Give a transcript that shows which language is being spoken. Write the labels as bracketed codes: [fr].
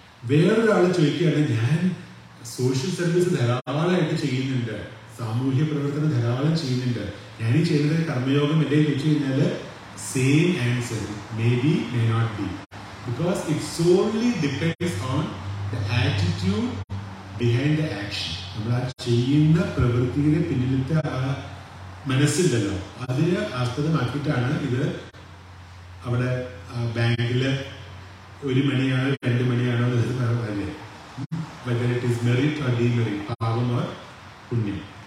[ml] വേറൊരാൾ ചോദിക്കുകയാണ്, ഞാൻ സോഷ്യൽ സർവീസ് ധാരാളമായിട്ട് ചെയ്യുന്നുണ്ട്, സാമൂഹ്യ പ്രവർത്തനം ധാരാളം ചെയ്യുന്നുണ്ട്, ഞാൻ ഈ ചെയ്യുന്നത് കർമ്മയോഗം എന്നെ ചോദിച്ചു കഴിഞ്ഞാൽ [en] same answer, maybe, may not be. Because it solely depends on the attitude behind the action. [ml] നമ്മൾ ആ ചെയ്യുന്ന പ്രവൃത്തിയുടെ പിന്നിലത്തെ ആ മനസ്സില്ലല്ലോ, അതിനെ ആസ്പദമാക്കിയിട്ടാണ് ഇത് അവിടെ ബാങ്കിൽ 1 മണിയാണോ 2 മണിയാണോ എന്നത് പറയുന്നത്. [en] Whether it is merit or demerit, [ml] പാപം [en] or [ml] പുണ്യം.